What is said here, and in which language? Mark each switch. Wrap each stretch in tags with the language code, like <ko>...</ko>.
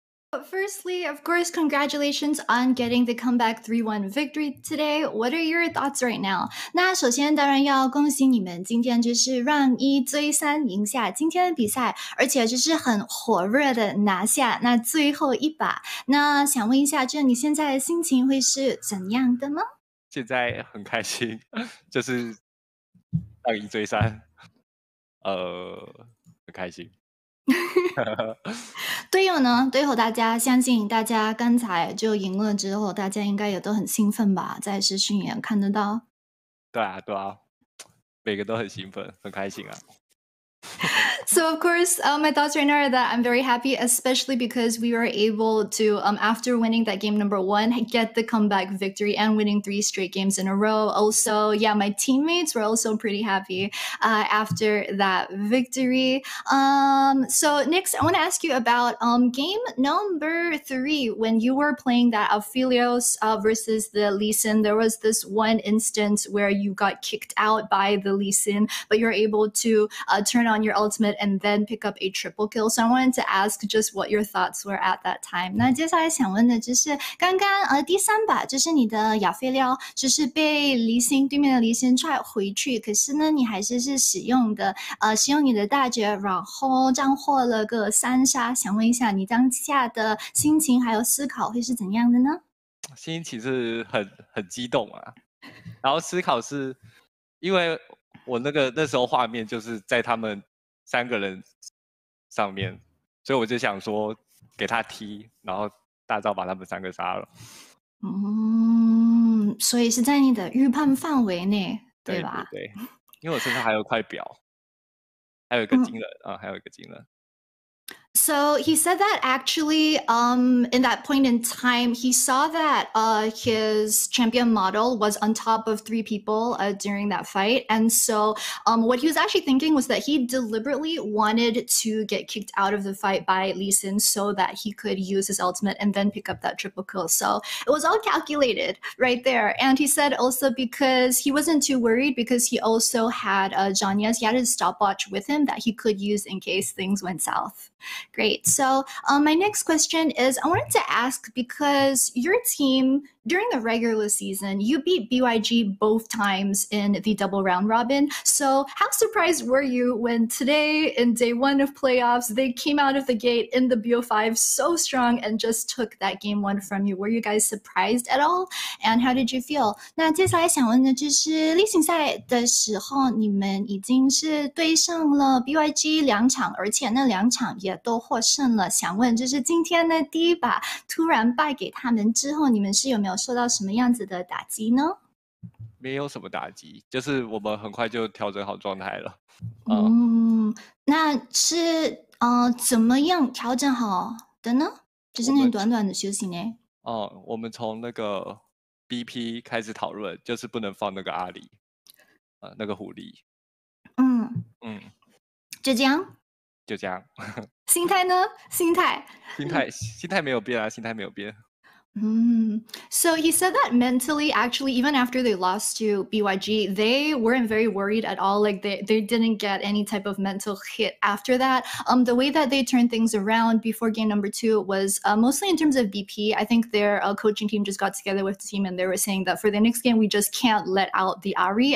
<en>But firstly, of course, congratulations on getting the comeback 3-1 victory today. What are your thoughts right now?</en> <zh>那首先当然要恭喜你们今天就是让一追三赢下今天的比赛，而且就是很火热的拿下那最后一把。那想问一下，这你现在的心情会是怎样的吗？现在很开心，就是让一追三，很开心。队友呢？队友，大家相信大家刚才就赢了之后，大家应该也都很兴奋吧？在视讯也看得到。对啊，对啊，每个都很兴奋，很开心啊。</zh> <en>So of course, my thoughts right now are that I'm very happy, especially because we were able to, after winning that game number one, get the comeback victory and winning 3 straight games in a row. Also, yeah, my teammates were also pretty happy, after that victory. So next, I want to ask you about, game number 3, when you were playing that Aphelios, versus the Lee Sin. There was this one instance where you got kicked out by the Lee Sin, but you're able to, turn on your ultimate and then pick up a triple kill. So I wanted to ask just what your thoughts were at that time.</en> <zh>那接下来想问的就是刚刚第三把就是你的亚菲利奥就是被离心对面的离心踹回去，可是呢你还是是使用的使用你的大绝，然后斩获了个三杀。想问一下你当下的心情还有思考会是怎样的呢？心情是很激动啊，然后思考是因为我那时候画面就是在他们三个人上面，所以我就想说给他踢，然后大招把他们三个杀了。嗯，所以是在你的预判范围内，对吧？对，因为我身上还有块表，还有一个金人啊，还有一个金人。</zh> <en>So he said that actually, in that point in time, he saw that his champion model was on top of 3 people during that fight. And so what he was actually thinking was that he deliberately wanted to get kicked out of the fight by Lee Sin so that he could use his ultimate and then pick up that triple kill. So it was all calculated right there. And he said also because he wasn't too worried because he also had Janya's, he had his stopwatch with him that he could use in case things went south. Great. So my next question is, I wanted to ask, because your team, during the regular season, you beat BYG both times in the double round robin. So how surprised were you when today, in day one of playoffs, they came out of the gate in the BO5 so strong and just took that game one from you? Were you guys surprised at all? And how did you feel?</en> <zh>那接下来想问的就是例行赛的时候你们已经是对上了 BYG 两场，而且那两场也都获胜了。想问就是今天的第一把突然败给他们之后，你们是有没有受到什么样子的打击呢？没有什么打击，就是我们很快就调整好状态了。那是怎么样调整好的呢？就是那短短的休息呢？我们从那个 BP 开始讨论，就是不能放那个阿里，那个狐狸。就这样就这样心态呢心态心态没有变啊心态没有变</zh> <en>So he said that mentally, actually, even after they lost to BYG, they weren't very worried at all. Like they didn't get any type of mental hit after that. The way that they turned things around before game number two was mostly in terms of BP. I think their coaching team just got together with the team and they were saying that for the next game, we just can't let out the Ahri.</en>